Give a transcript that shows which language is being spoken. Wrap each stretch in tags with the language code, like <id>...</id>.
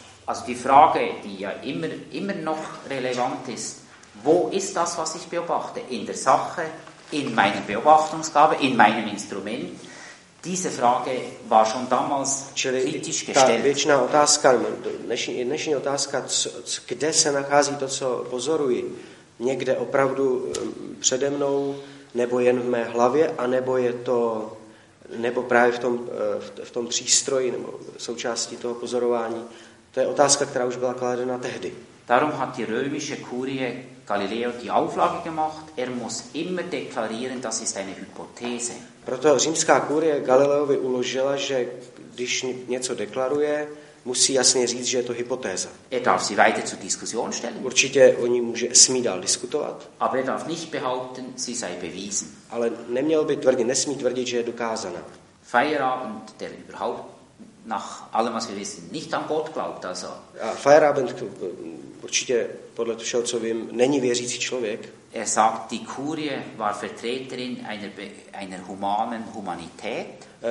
<de>Also die Frage, die ja immer noch relevant ist, wo ist das, was ich beobachte? In der Sache, in meiner Beobachtungsgabe, in meinem Instrument. Diese Frage war schon damals kritisch gestellt.</de> <cs>Čili ta věčná otázka, dnešní otázka, kde se nachází to, co pozoruji? Někde opravdu přede mnou, nebo jen v mé hlavě, anebo je to, nebo právě v tom přístroji, nebo součástí toho pozorování. To je otázka, která už byla kladena tehdy.</cs> <de>Darum hat die römische Kurie Galileo die Auflage gemacht, er muss immer deklarieren, das ist eine Hypothese.</de> <cs>Proto římská kurie Galileovi uložila, že když něco deklaruje, musí jasně říct, že je to hypotéza.</cs> <de>Er darf sie weiter zur Diskussion stellen.</de> <cs>Určitě o ní smí dál diskutovat.</cs> <de>Aber er darf nicht behaupten, sie sei bewiesen.</de> <cs>Ale neměl by tvrdit, nesmí tvrdit, že je dokázaná.</cs> <de>Feierabend, der überhaupt nach allem, was wir wissen, nicht an Gott glaubt, also.</de> <cs>Ja, Feierabend, určitě podle toho, co vím, není věřící člověk.</cs> <de>Er sagt, die Kurie war Vertreterin einer humanen Humanität.</de>